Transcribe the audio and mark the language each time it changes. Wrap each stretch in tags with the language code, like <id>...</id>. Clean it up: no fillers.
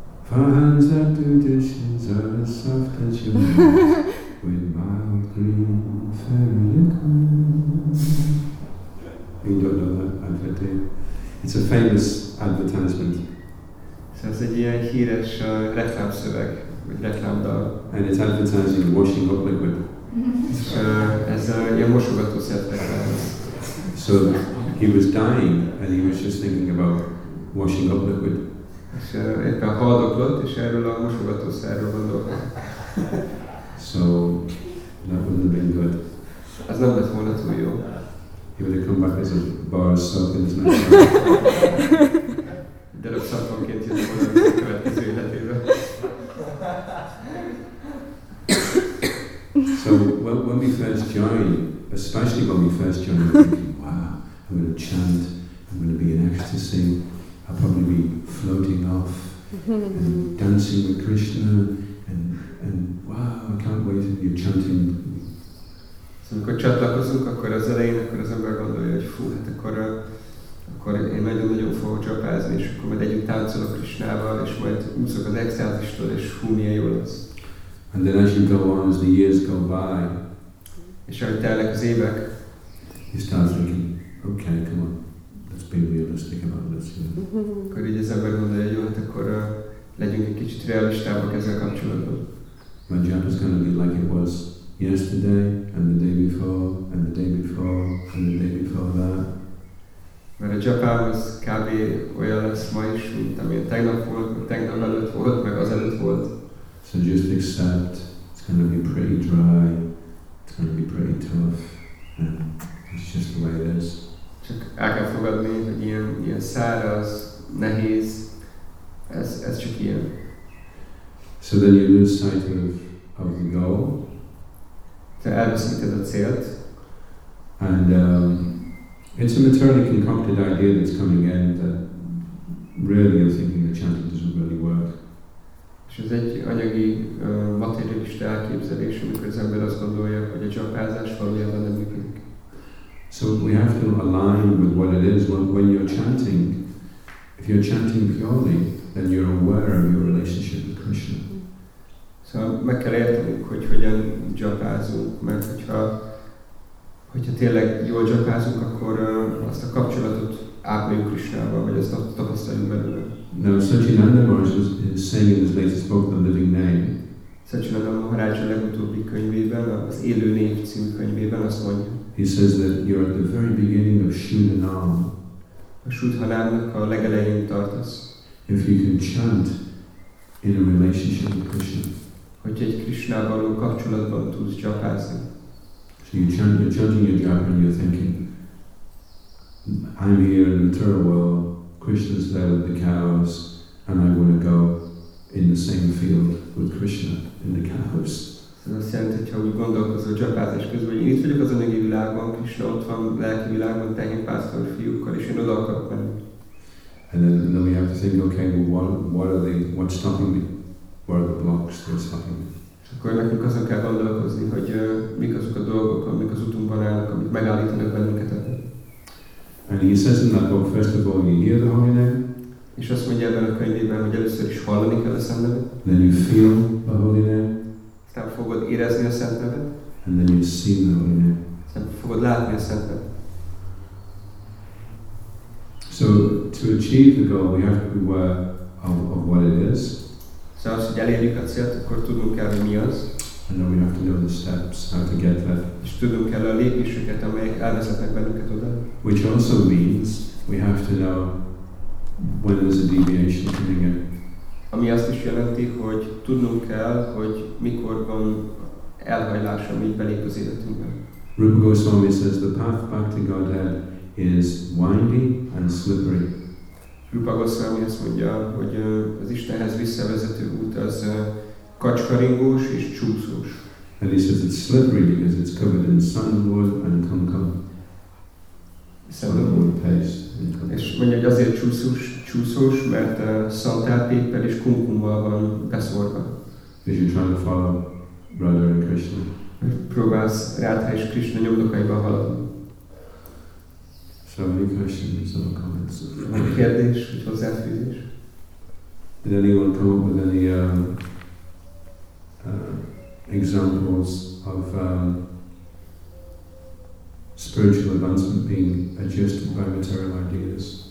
<en>Hands that do dishes are as soft as your mouth, with mild green fairy liquor. You don't know that advert, do you? It's a famous advertisement. So it's a</en> <hu>híres reklámszöveg, vagy reklámdal.</hu> <en>And it's advertising washing up liquid.</en> <hu>Ez a ilyen mosogató szertek.</hu> <en>So he was dying and he was just thinking about washing up liquid.</en> <hu>És éppen haldoklott, és erről a mosogatószerről gondolkod.</hu> <en>So, that wouldn't have been good.</en> <hu>Az nem lett volna túl jó.</hu> <en>He would have come back as a bar of soap in his mouth.</en> <hu>De rögtönként jön a következő életében.</hu> <en>So when we first join, especially when we first join, we're thinking, wow, I'm going to chant, I'm going to be in ecstasy, I'll probably be floating off and dancing with Krishna, and wow, I can't wait, and you're chanting.</en> <hu>So amikor csatlakozunk, akkor az elején, akkor az ember gondolja, hogy fú, hát akkor én nagyon-nagyon fogok csapázni, és akkor majd együtt táncolok Krishnával, és majd úszok az extázistól, és hú, milyen jó lesz.</hu> <en>And then as you go on, as the years go by,</en> <hu>és ahogy telnek az évek,</hu> <en>you start thinking, okay, come on, let's be realistic about this.</en> <hu>Akkor így az ember gondolja, hogy jó, hát akkor legyünk egy kicsit realistábbak ezzel kapcsolatban.</hu> <en>My job is going to be like it was yesterday, and the day before, and the day before, and the day before that.</en> <hu>Mert a Japán az kb. Olyan lesz ma is, mint ami a tegnap volt, meg tegnap előtt volt, meg az előtt volt.</hu> <en>So just accept, it's going to be pretty dry, it's going to be pretty tough, and it's just the way it is.</en> <hu>Csak el kell fogadni, hogy ilyen száraz, nehéz, ez csak ilyen.</hu> <en>So then you lose sight of the goal.</en> <hu>Te elveszíted a célt.</hu> <en>And it's a maternally concocted idea that's coming in that really I'm thinking the chanting doesn't really work.</en> <hu>És ez egy anyagi materialista elképzelés, amikor az ember azt gondolja, hogy a csapázás valójában nem működik.</hu> <en>So we have to align with what it is when you're chanting. If you're chanting purely, then you're aware of your relationship with Krishna.</en> <hu>So meg kell értenünk, hogy hogyan csapázunk, mert hogyha tényleg jól csapázunk, akkor azt a kapcsolatot ápoljuk Krishnával, vagy ezt tapasztaljuk belőle.</hu> <en>Now Satchinanda Maharaj is saying in his latest book, The Living Name.</en> <hu>Satchinanda Maharaj a legutóbbi könyvében, az Élő Név című könyvében azt mondja.</hu> <en>He says that you're at the very beginning of Shudhanam.</en> <hu>A Shudhanamnak a legelején tartasz.</hu> <en>If you can chant in a relationship with Krishna.</en> <hu>Hogyha egy Krishnával való kapcsolatban tudsz csapázni.</hu> <en>So you chant, you're chanting your japa and you're thinking, I'm here in the material world, Krishna's there with the cows, and I want to go in the same field with Krishna in the cows.</en> <hu>So azt jelenti, hogyha úgy gondolkozol a csapázás közben, hogy én itt vagyok az anyagi világban, Krishna ott van, lelki világban, tehénpásztor fiúkkal, és én oda akarok menni.</hu> <en>And then we have to think, okay, well, what's stopping me? What are the blocks that are stopping me?</en> <hu>És akkor nekünk azon kell gondolkozni, hogy mik azok a dolgok, amik az utunkban állnak, amik megállítanak bennünket.</hu> <en>And he says in that book, first of all, you hear the holy name.</en> <hu>És azt mondja ebben a könyvében, hogy először is hallani kell a szent nevet.</hu> <en>Then you feel the holy name.</en> <hu>Aztán fogod érezni a szent nevet.</hu> <en>And then you see the holy name.</en> <hu>Aztán fogod látni a szent nevet.</hu> <en>So to achieve the goal, we have to be aware of what it is.</en> <hu>Szóval, hogy elérjük a célt, akkor tudunk kell, hogy mi az.</hu> <en>And then we have to know the steps, how to get there.</en> <hu>És tudunk kell a lépéseket, amelyek elvezetnek bennünket oda.</hu> <en>Which also means we have to know when there's a deviation coming in.</en> <hu>Ami azt is jelenti, hogy tudnunk kell, hogy mikor van elhajlás, ami belép az életünkbe.</hu> <en>Rupa Goswami says the path back to Godhead is windy and slippery.</en> <hu>Rupa Goswami azt mondja, hogy az Istenhez visszavezető út az kacskaringós és csúszós.</hu> <en>And he says it's slippery because it's covered in sandalwood and kumkum. Sandalwood paste.</en> <hu>És mondja, hogy azért csúszós, mert szantálpéppel és kumkummal van beszórva.</hu> <en>Because you're trying to follow Radha and Krishna.</en> <hu>Próbálsz Radha és Krishna nyomdokaiban haladni.</hu> <en>So any questions or comments?</en> <hu>Van kérdés, hogy hozzáfűzés?</hu> <en>Did anyone come up with any examples of spiritual advancement being adjusted by material ideas?</en>